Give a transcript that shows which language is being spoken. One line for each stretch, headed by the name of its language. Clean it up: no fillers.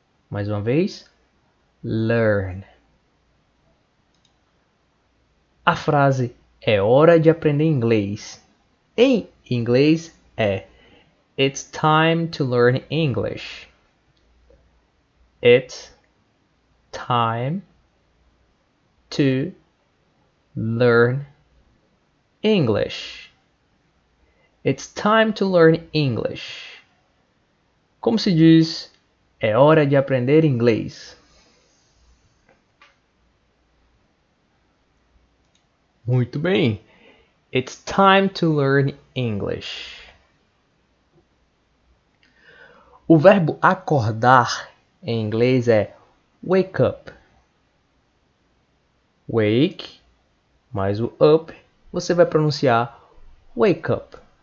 Portuguese: Mais uma vez, learn. A frase é hora de aprender inglês. Em inglês é
English: It's time to learn English. It's time to learn English. It's time to learn English.
Portuguese: Como se diz, é hora de aprender inglês. Muito bem.
English: It's time to learn English.
Portuguese: O verbo acordar em inglês é wake up. Wake, mais o up, você vai pronunciar wake up.